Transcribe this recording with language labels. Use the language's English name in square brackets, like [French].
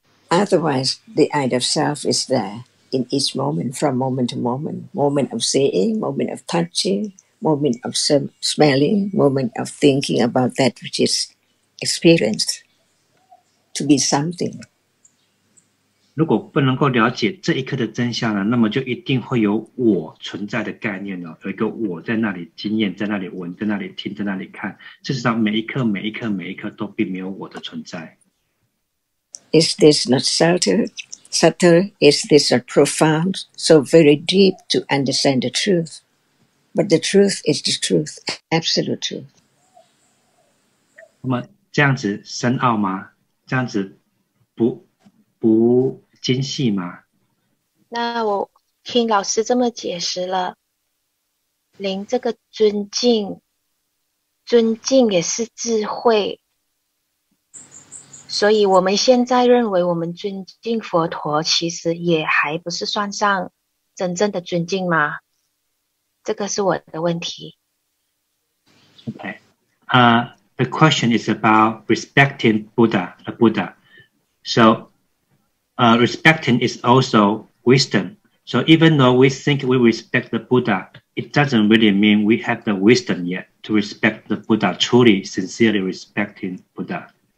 [English] Otherwise, the idea of self is there in each moment, from moment to moment. Moment of seeing, moment of touching, moment of smelling, moment of thinking about that which is experienced. To be something. [Chinese] 如果不能够了解这一刻的真相呢，那么就一定会有我存在的概念哦，有一个我在那里经验，在那里闻，在那里听，在那里看。事实上，每一刻、每一刻、每一刻都并没有我的存在。 [English] Is this not subtle? Subtle? Is this not profound? So very deep to understand the truth. But the truth is the truth, absolute truth. [Chinese] 那么这样子深奥吗？这样子不精细吗？那我听老师这么解释了，连这个尊敬，尊敬也是智慧，所以我们现在认为我们尊敬佛陀，其实也还不是算上真正的尊敬吗？这个是我的问题。 [English] Okay. The question is about respecting Buddha, the Buddha. So, respecting is also wisdom. So even though we think we respect the Buddha, it doesn't really mean we have the wisdom yet to respect the Buddha, truly, sincerely respecting Buddha.